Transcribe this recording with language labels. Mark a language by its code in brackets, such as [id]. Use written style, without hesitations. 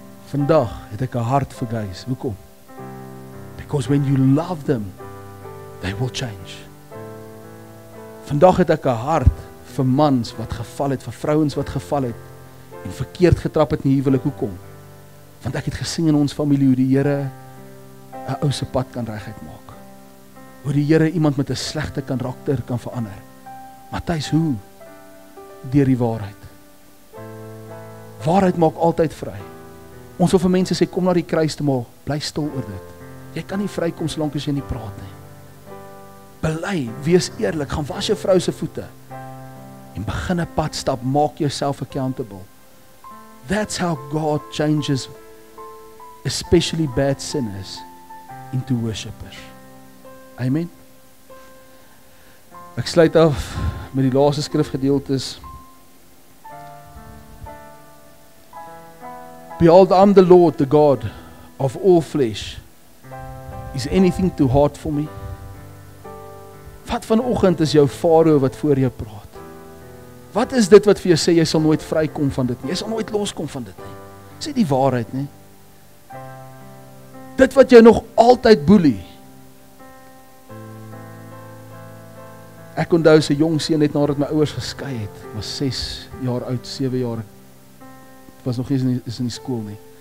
[af] Vandag het ek 'n hart vir gays. Hoekom? [en] Because when you love them, they will change. [af] Vandag het ek 'n hart vir mans wat geval het, vir vrouens wat geval het, en verkeerd getrap het in die huwelik. Hoekom? Want ek het gesien in ons familie hoe die Here 'n ou se pad kan regheid maak. Hoe die Here iemand met 'n slegte karakter kan verander. Matthys, hoe? Deur die waarheid. Waarheid maak altyd vry. Ons wil vir mense sê, kom na die kruis toe, maar bly stil oor dit. Jy kan nie vrykom solank as jy nie praat nie. Bely, wees eerlik, gaan was jou vrou se voete en begin 'n pad stap, maak jouself accountable. [en] That's how God changes especially bad sinners into worshippers. [af] Amen. Ek sluit af met die laaste skrifgedeeltes. [en] Behold, I'm the Lord, the God of all flesh. Is anything too hard for me? [af] Wat vanoggend is jou farao wat voor jou praat? Wat is dit wat vir jou sê, jy sal nooit vrykom van dit nie, jy sal nooit loskom van dit nie? Sê die waarheid nie. Dit wat jou nog altyd boelie. Ek onthou 'n jong seun net nadat my ouers geskei het, was 6 jaar oud, 7 jaar, was nog eens in die skool nie.